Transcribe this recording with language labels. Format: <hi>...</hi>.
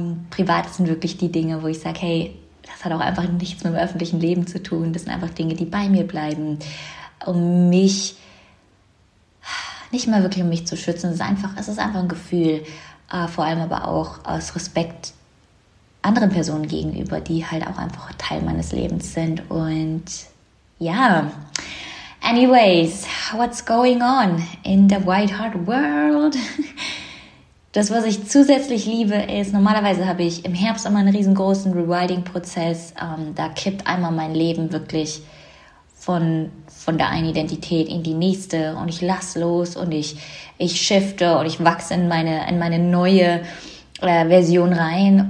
<de>Privat sind wirklich die Dinge, wo ich sage, hey, das hat auch einfach nichts mit dem öffentlichen Leben zu tun. Das sind einfach Dinge, die bei mir bleiben, um mich nicht mal wirklich um mich zu schützen. Es ist einfach ein Gefühl, vor allem aber auch aus Respekt anderen Personen gegenüber, die halt auch einfach Teil meines Lebens sind. Und ja,</de> <en>anyways, what's going on in the White Heart World?</en> <de>Das, was ich zusätzlich liebe, ist, normalerweise habe ich im Herbst immer einen riesengroßen Rewilding-Prozess. Da kippt einmal mein Leben wirklich von der einen Identität in die nächste und ich lasse los und ich shifte und ich wachse in meine neue Version rein.</de>